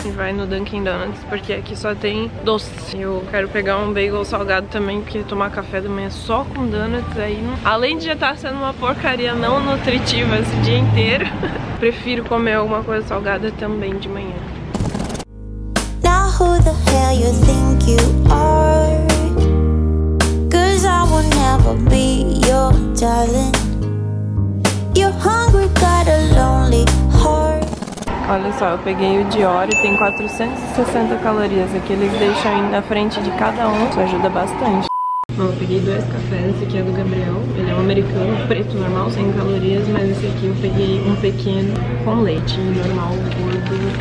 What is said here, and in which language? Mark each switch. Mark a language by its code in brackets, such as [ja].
[pt] No Dunkin' Donuts, porque aqui só tem doce. Eu quero pegar um bagel salgado também, porque tomar café da manhã só com donuts aí, não... além de já estar sendo uma porcaria não nutritiva esse dia inteiro, prefiro comer alguma coisa salgada também de manhã. [en] Now who the hell you think you are? 'Cause I will never be your darling. You're hungry, got a lonely heart. [pt] Olha só, eu peguei o Dior e tem 460 calorias aqui. Eles deixam aí na frente de cada um, isso ajuda bastante. Bom, eu peguei dois cafés, esse aqui é do Gabriel. Ele é um americano, preto, normal, sem calorias. Mas esse aqui eu peguei um pequeno com leite, normal, gordo.